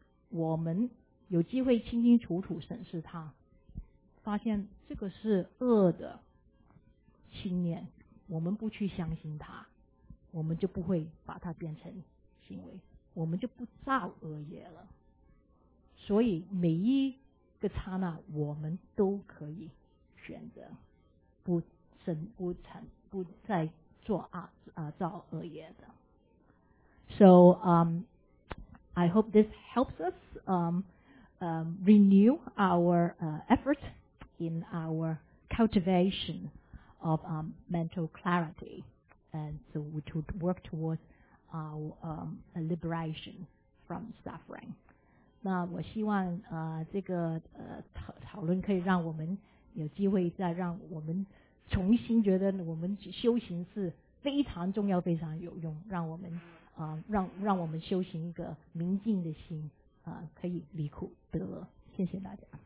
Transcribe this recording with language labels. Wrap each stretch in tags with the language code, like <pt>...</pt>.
<zh>我们有机会清清楚楚审视它，发现这个是恶的信念，我们不去相信它，我们就不会把它变成行为，我们就不造恶业了。所以每一个刹那我们都可以选择不再做造恶业的。</zh> <en>I hope this helps us renew our effort in our cultivation of mental clarity, and so we should work towards our liberation from suffering.</en> <zh>那我希望这个讨论可以让我们有机会再让我们重新觉得我们修行是非常重要、非常有用，让我们。让我们修行一个明净的心，可以离苦得乐。谢谢大家。</zh>